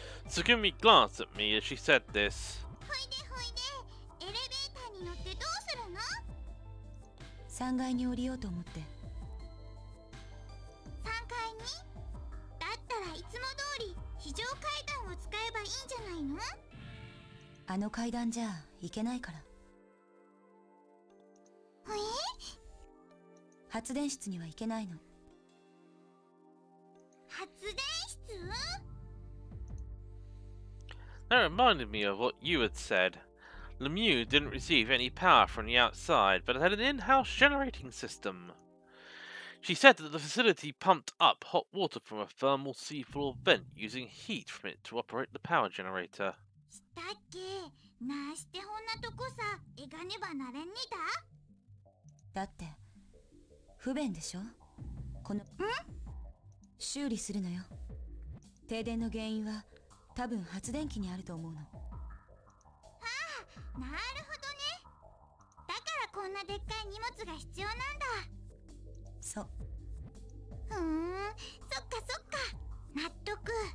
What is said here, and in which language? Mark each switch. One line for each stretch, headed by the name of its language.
English: Tsugumi glanced at me as she said this.
Japanese: ほいでほいで、エレベーターに乗ってどうするの？ 3階に降りようと思って。 3階に？だったらいつも通り非常階段を使えばいいんじゃないの？あの階段じゃ行けないから。ほい？発電室には行けないの。発電室？
English: That reminded me of what you had said. Lemieux didn't receive any power from the outside, but had an in-house generating system. She said that the facility pumped up hot water from a thermal seafloor vent using heat from it to operate the power generator.
Japanese: したっけ、なしてほんなとこさ、えがねばなれんねだ。だって不便でしょ。この修理するのよ。停電の原因は多分発電機にあると思うの。ああ、なるほどね。だからこんなでっかい荷物が必要なんだ。そう。ふーん、そっかそっか、納得。